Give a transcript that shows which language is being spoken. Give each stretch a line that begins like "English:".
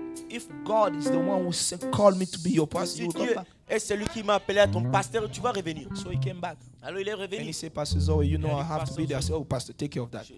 English: If God is the one who said, call me to be your pastor, you will come back.
French: C'est lui qui m'a appelé à ton pasteur, tu vas revenir.
English: So he came back.
French: Alors il est revenu.
English: And he said, Pastor Zoe, you know, I have to be there. I said, oh, Pastor, take care of that.